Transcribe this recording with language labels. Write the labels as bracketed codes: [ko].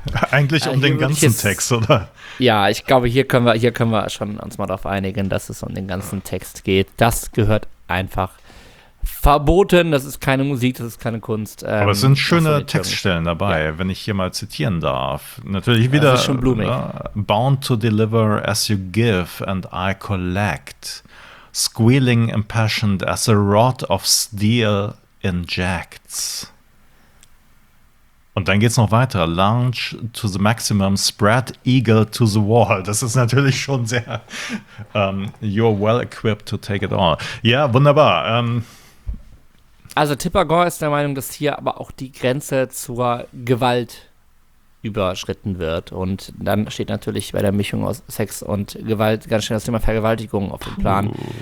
[de] Eigentlich um den ganzen Text, oder? Ja, ich glaube, hier können wir schon uns mal darauf einigen, dass es um den ganzen Text geht. Das gehört einfach verboten. Das ist keine Musik, das ist keine Kunst. Aber es sind schöne Textstellen dabei, ja, wenn ich hier mal zitieren darf. Natürlich wieder, das ist schon blumig. [en] Bound to deliver as you give and I collect. Squealing impassioned as a rod of steel injects. [de] Und dann geht's noch weiter. [en] Launch to the maximum, spread eagle to the wall. [de] Das ist natürlich schon sehr, [en] you're well equipped to take it all. [de] Ja, wunderbar. Also Tipper Gore ist der Meinung, dass hier aber auch die Grenze zur Gewalt überschritten wird. Und dann steht natürlich bei der Mischung aus Sex und Gewalt ganz schön das Thema Vergewaltigung auf dem Plan.